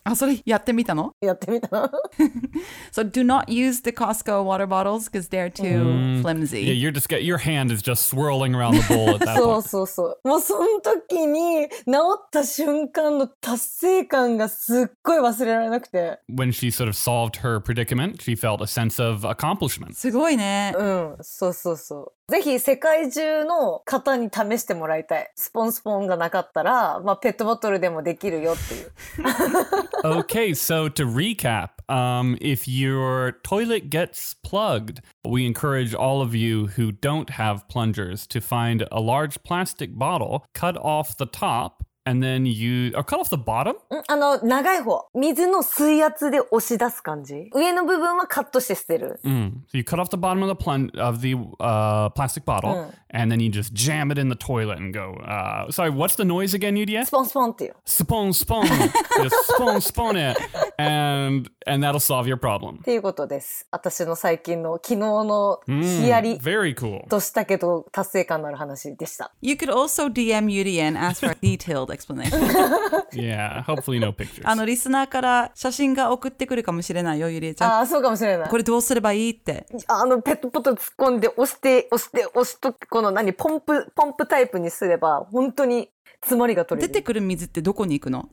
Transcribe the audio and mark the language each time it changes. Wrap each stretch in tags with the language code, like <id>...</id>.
<ja>あ、それやってみたの？やってみたの。</ja> <en>So do not use the Costco water bottles because they're too flimsy. Yeah, you're just your hand is just swirling around the bowl at that</en> <ja>そうそうそう。もうその時に治った瞬間の達成感がすっごい忘れられなくて。</ja> <en>When she sort of solved her predicament, she felt a sense of accomplishment.</en> <ja>すごいね。うん、そうそうそう。ぜひ世界中の方に試してもらいたい。スポンスポンがなかったら、まあ、ペットボトルでもできるよっていう。</ja> <en>Okay, so to recap, if your toilet gets plugged, we encourage all of you who don't have plungers to find a large plastic bottle, cut off the top,And then you... Or cut off the bottom?</en> <ja>あの、長い方。水の水圧で押し出す感じ。上の部分はカットして捨てる。うん。</ja> <en>So you cut off the bottom of the, plastic bottle,and then you just jam it in the toilet and go... Sorry, what's the noise again, Yudia?</en> <ja>スポンスポンっていう。</ja> <en>スポンスポン。Just スポンスポン it. And that'll solve your problem.</en> <ja>っていうことです。私の最近の昨日のヒヤリ。</ja> <en>Very cool.</en> <ja>としたけど達成感のある話でした。</ja> <en>You could also DM Yudia and ask for details. explanation. Yeah, hopefully no pictures.</en> <ja>あのリスナーから写真が送ってくるかもしれないよ、ゆりえちゃん。ああ、そうかもしれない。これどうすればいいって。あのペットボトル突っ込んで押すとこの何ポンプタイプにすれば本当に詰まりが取れる。出てくる水ってどこに行くの？</ja>